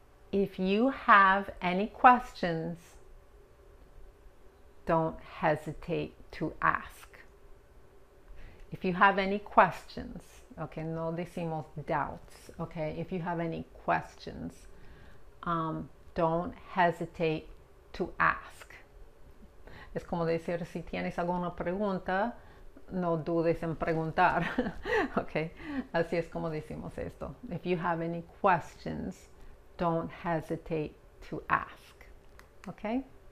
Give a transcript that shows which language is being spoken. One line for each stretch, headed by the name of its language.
English: If you have any questions, don't hesitate to ask. If you have any questions, okay,
Spanish: no decimos
English: doubts, okay? If you have any questions, don't hesitate to ask.
Spanish: Es como decir, si tienes alguna pregunta, no dudes en preguntar, okay? Así es como decimos esto.
English: If you have any questions, don't hesitate to ask, okay?